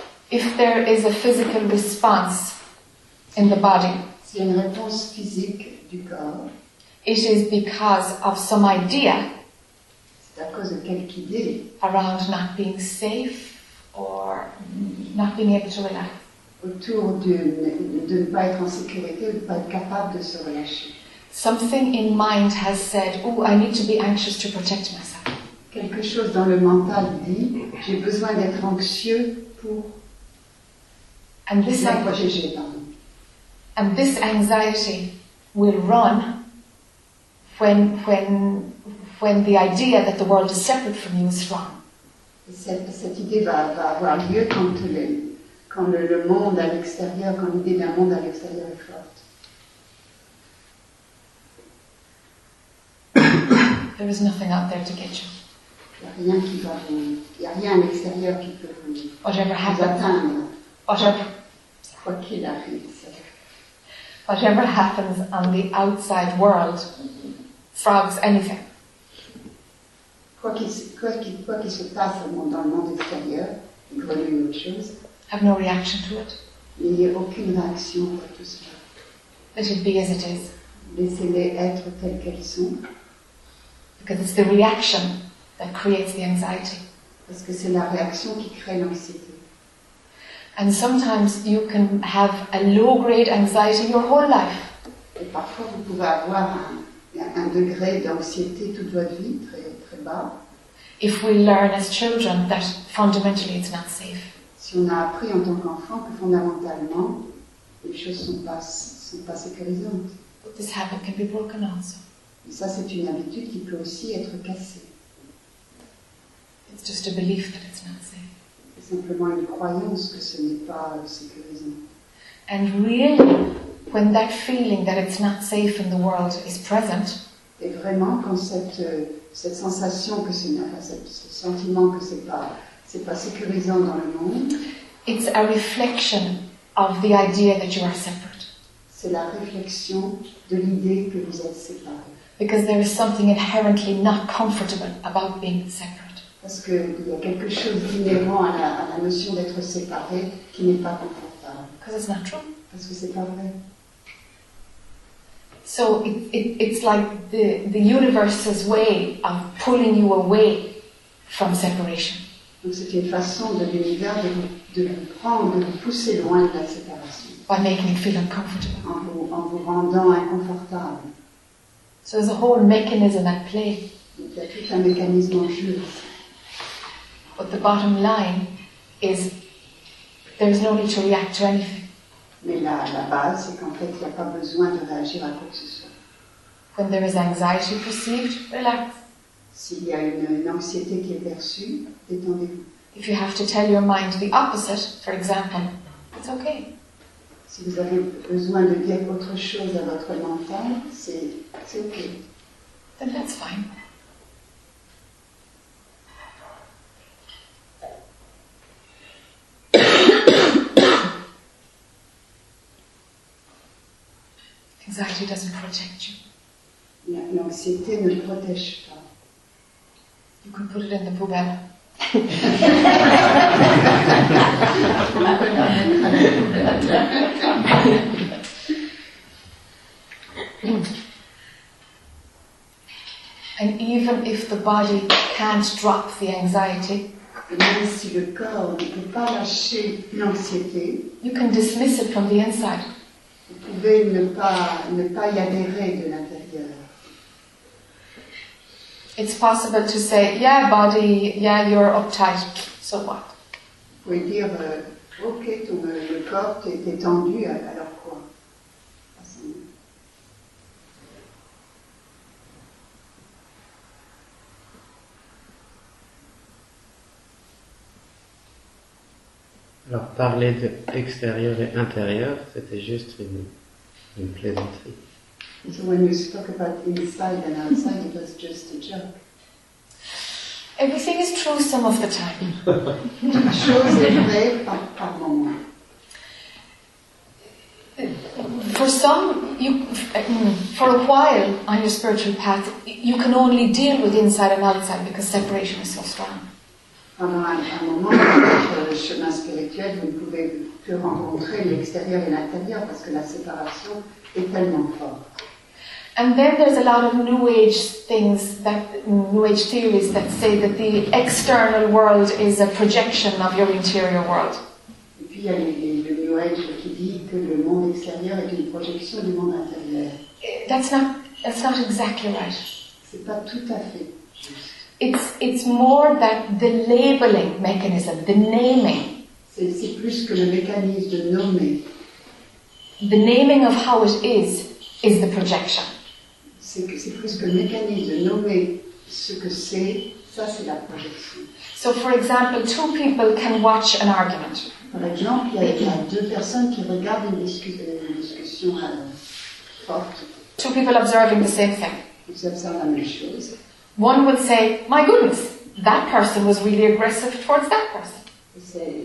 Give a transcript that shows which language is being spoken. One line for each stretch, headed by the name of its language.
English: If there is a physical response in the body,
French: s'il y a une réponse physique du corps,
English: it is because of some idea.
French: C'est à cause de quelque idée.
English: Around not being safe or not being able to relax.
French: Autour de ne pas être en sécurité, de ne pas être capable de se relâcher.
English: Something in mind has said, oh, I need to be anxious to protect myself.
French: Quelque chose dans le mental dit, j'ai besoin d'être anxieux pour.
English: And this
French: protéger.
English: And this anxiety will run when the idea that the world is separate from you is strong.
French: Cette idée va avoir lieu quand les. Quand le monde à l'extérieur, quand l'idée d'un monde à l'extérieur est forte.
English: There is nothing out there to get you.
French: Il y a rien qui va vous. Il y a rien à l'extérieur qui peut vous.
English: Whatever
French: vous atteindre. Quoi qu'il arrive.
English: Whatever happens on the outside world, frogs anything.
French: Quoi qu'il se passe dans le monde extérieur, grenouilles ou autre chose.
English: Have no reaction to it.
French: Il n'y a aucune réaction à tout cela.
English: Let it be as it is.
French: Laissez-les être telles qu'elles sont.
English: Because it's the reaction that creates the anxiety.
French: Parce que c'est la réaction qui crée l'anxiété.
English: And sometimes you can have a low-grade anxiety your whole life.
French: Et parfois vous pouvez avoir un degré d'anxiété toute votre vie, très, très bas.
English: If we learn as children that fundamentally it's not safe.
French: Si on a appris en tant qu'enfant que fondamentalement, les choses ne sont pas sécurisantes.
English: But this habit can be broken also.
French: Et ça, c'est une habitude qui peut aussi être cassée.
English: It's just a belief that it's not safe.
French: C'est simplement une croyance que ce n'est pas sécurisant.
English: And really, when that feeling that it's not safe in the world is present,
French: et vraiment quand cette sensation que ce n'est pas, ce sentiment que c'est pas sécurisant dans le monde,
English: it's a reflection of the idea that you are separate.
French: C'est la réflexion de l'idée que vous êtes séparés.
English: Because there is something inherently not comfortable about being separate.
French: Parce que il y a quelque chose inhérent à la notion d'être séparé qui n'est pas confortable.
English: Because it's not true.
French: Parce que c'est pas vrai.
English: So it's like the universe's way of pulling you away from separation.
French: Donc c'est une façon de l'univers de vous prendre, de vous pousser loin de la séparation.
English: By making you feel uncomfortable.
French: En vous rendant inconfortable.
English: So there's a whole mechanism at play.
French: Il y a tout un mécanisme en jeu.
English: But the bottom line is there's no need to react to anything.
French: Mais la base, c'est qu'en fait, il n'y a pas besoin de réagir à quoi que ce soit.
English: When there is anxiety perceived, relax.
French: S'il y a une anxiété qui est perçue, détendez-vous.
English: If you have to tell your mind the opposite, for example, it's okay.
French: Si vous avez besoin de dire autre chose à votre mental, c'est okay.
English: Then that's fine. Anxiety doesn't protect you.
French: L'anxiété ne protège pas.
English: You could put it in the poubelle. And even if the body can't drop the anxiety,
French: même si le corps ne peut pas lâcher l'anxiété,
English: you can dismiss it from the inside.
French: Vous pouvez ne pas y adhérer de l'intérieur.
English: It's possible to say, yeah, body, yeah, you're uptight, so what?
French: Vous pouvez dire, ok, le corps est tendu, alors quoi? Alors, parler de extérieur et intérieur, c'était juste une plaisanterie.
English: So when you spoke about inside and outside, it was just a joke. Everything is true some of the time.
French: Chose est vraie par moment.
English: For some, for a while on your spiritual path, you can only deal with inside and outside because separation is so strong.
French: Pendant un moment, sur le chemin spirituel, vous ne pouvez plus rencontrer l'extérieur et l'intérieur parce que la séparation est tellement forte.
English: And then there's a lot of New Age things, New Age theories that say that the external world is a projection of your interior world.
French: Et puis il y a le New Age qui dit que le monde extérieur est une projection du monde intérieur.
English: That's not exactly right.
French: C'est pas tout à fait juste.
English: It's more that the labeling mechanism, the naming.
French: C'est plus que le mécanisme de nommer.
English: The naming of how it is the projection.
French: C'est plus que le mécanisme de nommer ce que c'est, ça c'est la projection.
English: So for example, two people can watch an argument.
French: Par exemple, il y a deux personnes qui regardent une discussion forte.
English: Two people observing the same thing.
French: Ils observent la même chose.
English: One would say, my goodness, that person was really aggressive towards that person.